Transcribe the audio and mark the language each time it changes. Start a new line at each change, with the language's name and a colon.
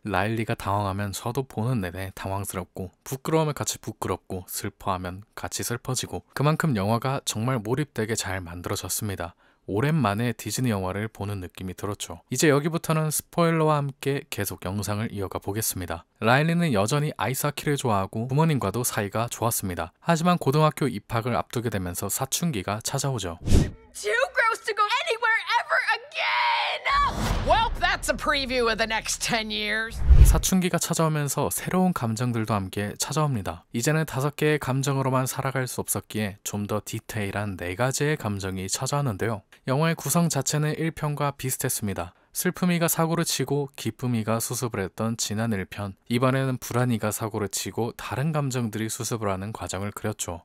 Korean: 라일리가 당황하면 저도 보는 내내 당황스럽고 부끄러우면 같이 부끄럽고 슬퍼하면 같이 슬퍼지고 그만큼 영화가 정말 몰입되게 잘 만들어졌습니다. 오랜만에 디즈니 영화를 보는 느낌이 들었죠. 이제 여기부터는 스포일러와 함께 계속 영상을 이어가 보겠습니다. 라일리는 여전히 아이스하키를 좋아하고 부모님과도 사이가 좋았습니다. 하지만 고등학교 입학을 앞두게 되면서 사춘기가 찾아오죠.
English: Too gross to go anywhere ever again! Well, that's a preview of the next 10 years.
Korean: 사춘기가 찾아오면서 새로운 감정들도 함께 찾아옵니다. 이제는 다섯 개의 감정으로만 살아갈 수 없었기에 좀 더 디테일한 네 가지의 감정이 찾아왔는데요. 영화의 구성 자체는 1편과 비슷했습니다. 슬픔이가 사고를 치고 기쁨이가 수습을 했던 지난 1편, 이번에는 불안이가 사고를 치고 다른 감정들이 수습을 하는 과정을 그렸죠.